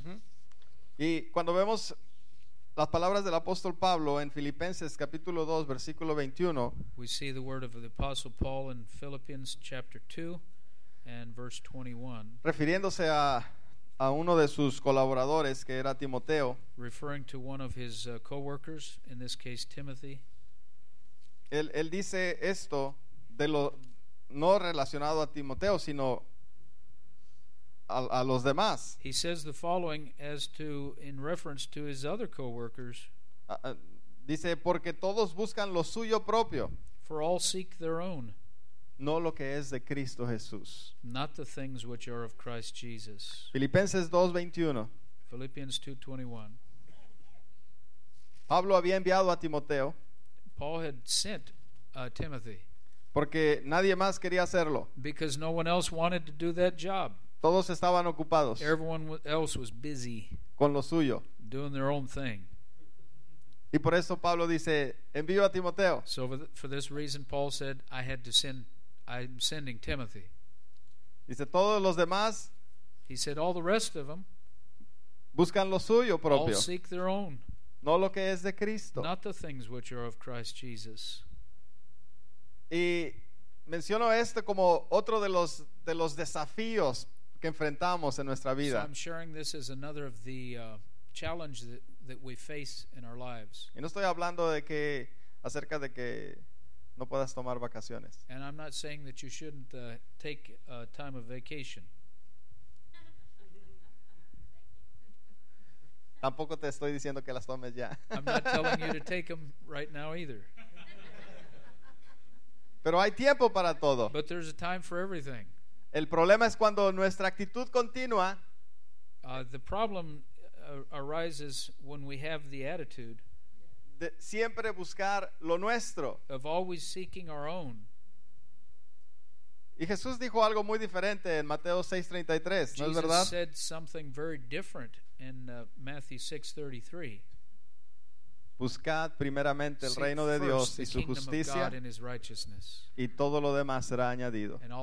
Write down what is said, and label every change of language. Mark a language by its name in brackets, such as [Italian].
[Spanish] Mm-hmm. Y cuando vemos las palabras del apóstol Pablo en Filipenses capítulo 2 versículo 21. [English] We see the word of the apostle Paul in Philippians chapter 2 and verse 21. [Spanish] Refiriéndose a uno de sus colaboradores que era Timoteo. [English] Referring to one of his co-workers, in this case Timothy. [Spanish] Él dice esto de lo no relacionado a Timoteo, sino a los demás. [English] He says the following as to in reference to his other co-workers. [Spanish] Dice porque todos buscan lo suyo propio. [English] For all seek their own. [Spanish] No lo que es de Cristo Jesús. [English] Not the things which are of Christ Jesus. [Spanish] Filipenses 2:21. [English] Philippians 2:21. [Spanish] Pablo había enviado a Timoteo. [English] Paul had sent Timothy. [Spanish] Porque nadie más quería hacerlo. [English] Because no one else wanted to do that job. [Spanish] Todos estaban ocupados. [English] Everyone else was busy [Spanish] con lo suyo. [English] Doing their own thing. [Spanish] Y por eso Pablo dice, envío a Timoteo. [English] So for this reason Paul said, I'm sending Timothy. [Spanish] Dice, todos los demás, [English] he said, all the rest of them [Spanish] buscan lo suyo propio. [English] All seek their own. [Spanish] No lo que es de Cristo. [English] Not the things which are of Christ Jesus. [Spanish] Y menciono esto como otro de los desafíos que enfrentamos en nuestra vida. [English] So I'm sharing this as another of the challenge that we face in our lives. [Spanish] Y no estoy hablando acerca de que no puedas tomar vacaciones. [English] And I'm not saying that you shouldn't take a time of vacation. [Spanish] Tampoco te estoy diciendo que las tomes ya. [English] I'm not telling you to take them right now either. [Spanish] Pero hay tiempo para todo. [English] But there's a time for everything. [Spanish] El problema es cuando nuestra actitud continua. [English] The problem arises when we have the attitude [Spanish] de siempre buscar lo nuestro. [English] Of always seeking our own. [Spanish] Y Jesús dijo algo muy diferente en Mateo 6:33, ¿no es verdad? [English] Jesus said something very different in Matthew 6:33. [Spanish] Buscad primeramente el reino de Dios y su justicia, y todo lo demás será añadido.